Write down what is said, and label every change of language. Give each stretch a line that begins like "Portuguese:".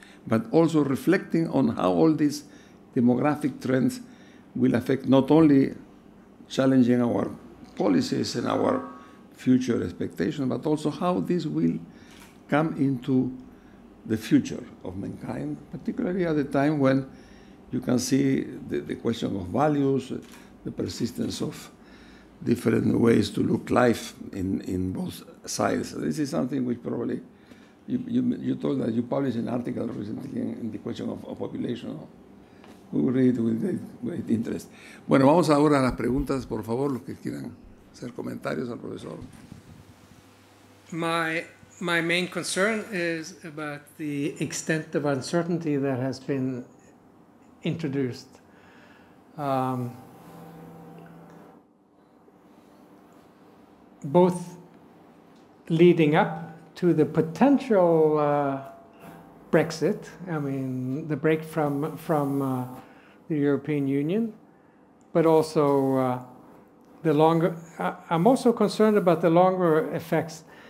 English: But also reflecting on how all these demographic trends will affect not only challenging our policies and our future expectations, but also how this will come into the future of mankind, particularly at a time when you can see the question of values, the persistence of different ways to look life in both sides. So this is something which probably you told that you published an article recently in the question of population. We will read it with great interest.
Spanish: Bueno, vamos ahora a las preguntas, por favor, los que quieran hacer comentarios al profesor.
English: My main concern is about the extent of uncertainty that has been introduced. Both leading up to the potential Brexit, I mean, the break from the European Union, but also the longer, I'm also concerned about the longer effects.